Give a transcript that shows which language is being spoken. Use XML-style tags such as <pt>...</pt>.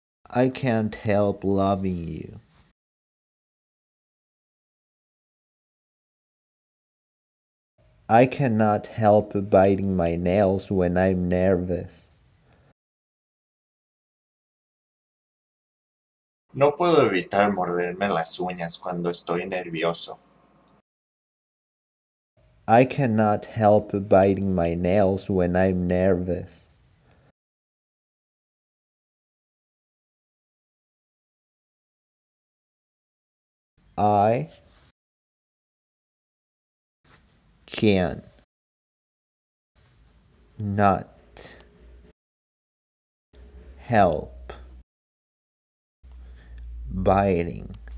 <en>I can't help loving you. I cannot help biting my nails when I'm nervous.</en> <es>No puedo evitar morderme las uñas cuando estoy nervioso.</es> <en>I cannot help biting my nails when I'm nervous. I can not help biting</en>